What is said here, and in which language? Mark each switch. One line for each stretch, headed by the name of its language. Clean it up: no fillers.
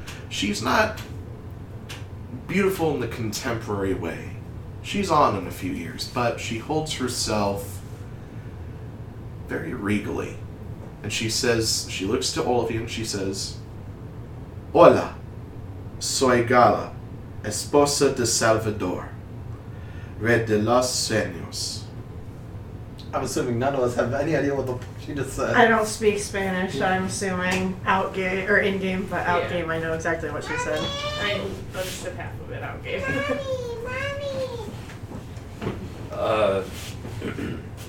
English: She's not beautiful in the contemporary way. She's on in a few years, but she holds herself very regally. And she says, she looks to all of you and she says, hola.
Spanish: Soy Gala, esposa de Salvador, rey de los sueños.
English: I'm assuming none of us have any idea what the she just said. I don't speak Spanish. Yeah. I'm assuming in-game, but out-game, yeah. I know exactly what mommy. She said. I understood half of it out-game. Mommy,